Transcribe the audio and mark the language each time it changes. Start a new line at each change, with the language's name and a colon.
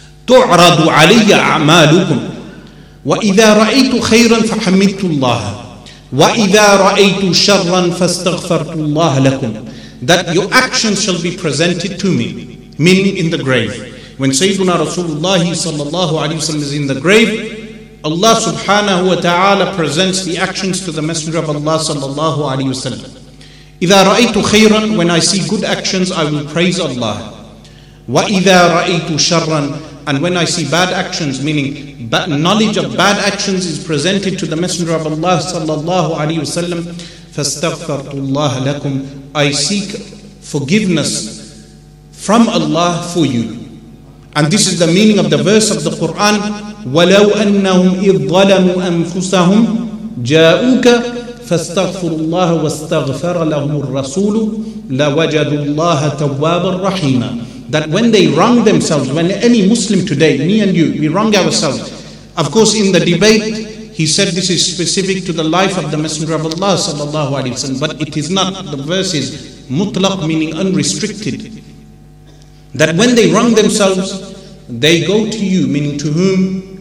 Arabic: تعرض علي أعمالكم وإذا رأيت خيرا فحمدت الله وإذا رأيت شرا فاستغفرت الله لكم.
English: That your actions shall be presented to me, meaning in the grave. When Sayyiduna Rasulullah sallallahu alayhi wa sallam is in the grave, Allah subhanahu wa ta'ala presents the actions to the Messenger of Allah sallallahu alayhi wa sallam.
Arabic: إِذَا رَأَيْتُ خَيْرًا,
English: when I see good actions, I will praise Allah.
Arabic: وَإِذَا رَأَيْتُ شَرًّا,
English: and when I see bad actions, meaning knowledge of bad actions is presented to the Messenger of Allah sallallahu alayhi wa sallam,
Arabic: فَاسْتَغْفَرْتُ اللَّهَ لَكُمْ,
English: I seek forgiveness from Allah for you. And this is the meaning of the verse of the Quran,
Arabic: وَلَوْ أَنَّهُمْ إِذْ ظَلَمُوا أَنفُسَهُمْ جَاءُوكَ فَاسْتَغْفِرُ اللَّهَ وَاسْتَغْفَرَ لَهُمُ الرَّسُولُ لَوَجَدُ اللَّهَ تَوَّابًا رَحِيمًا.
English: That when they wrong themselves, when any Muslim today, me and you, we wrong ourselves. Of course, in the debate, he said this is specific to the life of the Messenger of Allah sallallahu alaihi wasallam, but it is not. The verse is mutlaq, meaning unrestricted. That when they wrong themselves, they go to you, meaning to whom?